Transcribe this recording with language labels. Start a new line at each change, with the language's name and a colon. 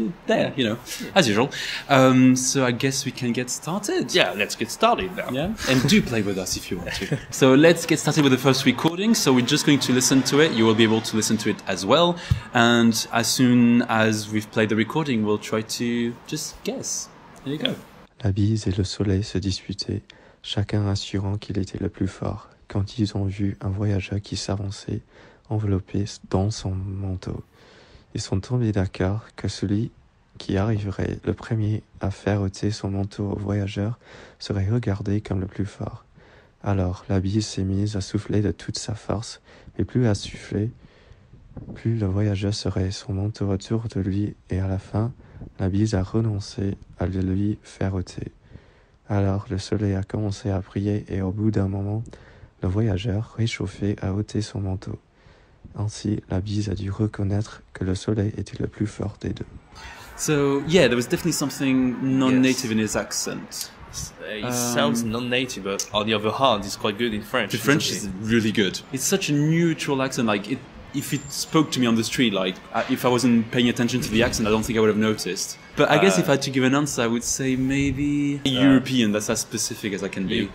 English: There, you know, as usual. So I guess we can get started. Yeah, let's get started now. Yeah, and do play with us if you want to. So let's get started with the first recording. So we're just going to listen to it. You will be able to listen to it as well. And as soon as we've played the recording, we'll try to just guess. There you go.
French: La bise et le soleil se disputaient, chacun assurant qu'il était le plus fort, quand ils ont vu un voyageur qui s'avançait, enveloppé dans son manteau. Ils sont tombés d'accord que celui qui arriverait le premier à faire ôter son manteau au voyageur serait regardé comme le plus fort. Alors la bise s'est mise à souffler de toute sa force, mais plus à souffler, plus le voyageur serait son manteau autour de lui, et à la fin, la bise a renoncé à le lui faire ôter. Alors le soleil a commencé à briller, et au bout d'un moment, le voyageur, réchauffé, a ôté son manteau. Ainsi, la bise a dû reconnaître que le soleil était le plus fort des deux.
English: So, yeah, there was definitely something non-native yes. in his accent. It sounds non-native, but on the other hand, it's quite good in French. The French is really good. It's such a neutral accent, like, it, if it spoke to me on the street, like, if I wasn't paying attention to the accent, I don't think I would have noticed. But I guess if I had to give an answer, I would say maybe European, that's as specific as I can be.